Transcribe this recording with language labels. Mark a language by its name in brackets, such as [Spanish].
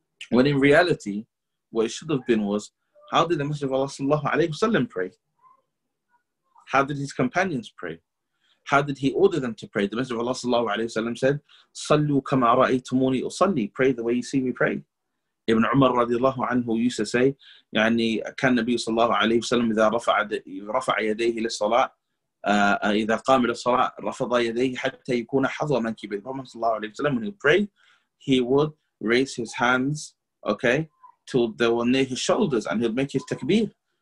[English] When in reality, what it should have been was, how did the Messenger of Allah sallallahu alayhi wa sallam pray? How did his companions pray? How did he order them to pray? The Messenger of Allah sallallahu alayhi wa sallam said, [Arabic] صَلُّوا كَمَا رَأَيْتُمُونِي أُصَلِّي. [English] Pray the way you see me pray. Ibn Umar radiallahu anhu used to say, [Arabic] يعني كان نبي صلى الله عليه وسلم إذا رفع يديه للصلاة إذا قام للصلاة رفض يديه حتى يكون حظوا من كبير. [English] The Messenger of Allah sallallahu alayhi wa sallam, when he prayed, he would raise his hands, okay, till they were near his shoulders, and he'll make his takbir.